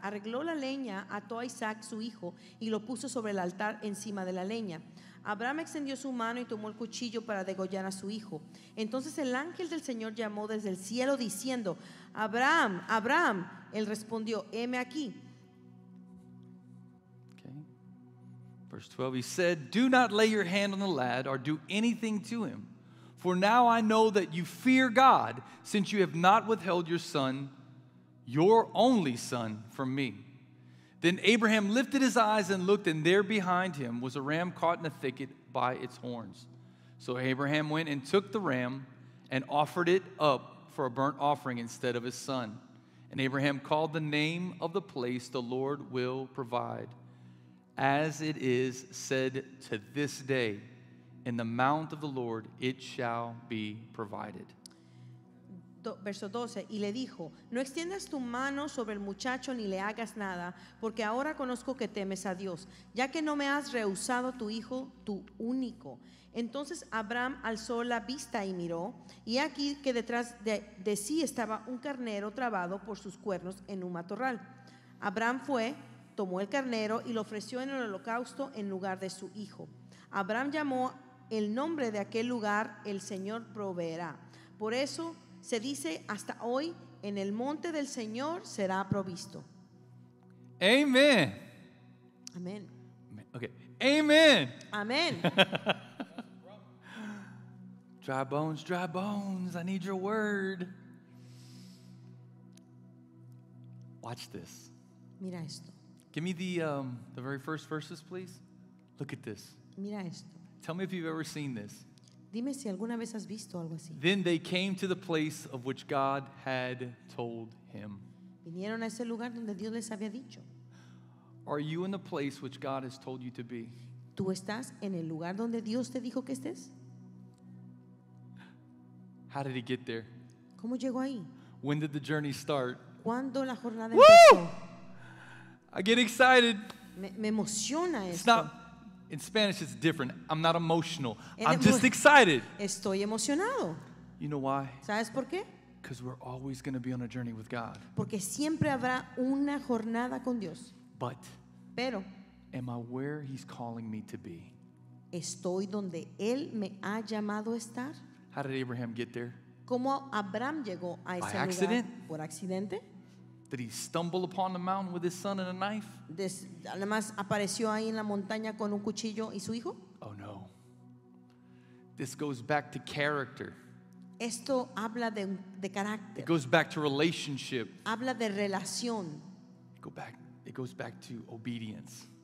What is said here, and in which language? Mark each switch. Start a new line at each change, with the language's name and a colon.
Spanish: Arregló la leña, ató a Isaac su hijo y lo puso sobre el altar encima de la leña. Abraham extendió su mano y tomó el cuchillo para degollar a su hijo. Entonces el ángel del Señor llamó desde el cielo diciendo, Abraham, Abraham. Él respondió, heme aquí.
English: Okay. Verse 12, he said, do not lay your hand on the lad or do anything to him. For now I know that you fear God, since you have not withheld your son, your only son, from me. Then Abraham lifted his eyes and looked, and there behind him was a ram caught in a thicket by its horns. So Abraham went and took the ram and offered it up for a burnt offering instead of his son. And Abraham called the name of the place, the Lord will provide. As it is said to this day, in the mount of the Lord it shall be provided.
Spanish: verso 12, y le dijo, no extiendas tu mano sobre el muchacho ni le hagas nada, porque ahora conozco que temes a Dios, ya que no me has rehusado tu hijo, tu único. Entonces Abraham alzó la vista y miró, y aquí que detrás de sí estaba un carnero trabado por sus cuernos en un matorral. Abraham fue, tomó el carnero y lo ofreció en el holocausto en lugar de su hijo. Abraham llamó el nombre de aquel lugar, el Señor proveerá. Por eso se dice hasta hoy, en el monte del Señor será provisto.
English: Amen. Amen. Okay. Amen. Amen. Dry bones, dry bones. I need your word. Watch this.
Spanish: Mira esto.
English: Give me the very first verses, please. Look at this.
Spanish: Mira esto.
English: Tell me if you've ever seen this.
Spanish: Dime si alguna vez has visto algo así.
English: Then they came to the place of which God had told him.
Spanish: Vinieron a ese lugar donde Dios les había dicho.
English: Are you in the place which God has told you to be?
Spanish: ¿Tú estás en el lugar donde Dios te dijo que estés?
English: How did he get there?
Spanish: ¿Cómo llegó ahí?
English: When did the journey start?
Spanish: ¿Cuándo la jornada Woo! Empezó?
English: I get excited.
Spanish: Me emociona esto.
English: Stop. In Spanish, it's different. I'm not emotional. I'm just excited.
Spanish: Estoy emocionado.
English: You know why?
Spanish: ¿Sabes por qué?
English: Because we're always going to be on a journey with God.
Spanish: Porque siempre habrá una jornada con Dios.
English: But,
Spanish: pero,
English: am I where he's calling me to be?
Spanish: ¿Estoy donde él me ha llamado a estar?
English: How did Abraham get there?
Spanish: ¿Cómo Abraham llegó a ese lugar?
English: By accident?
Spanish: ¿Por accidente?
English: Did he stumble upon the mountain with his son and a knife?
Spanish: Además, apareció ahí en la montaña con un cuchillo y su hijo.
English: Oh no. This goes back to character.
Spanish: Esto habla de carácter.
English: It goes back to relationship.
Spanish: Habla de relación.
English: It goes back to obedience.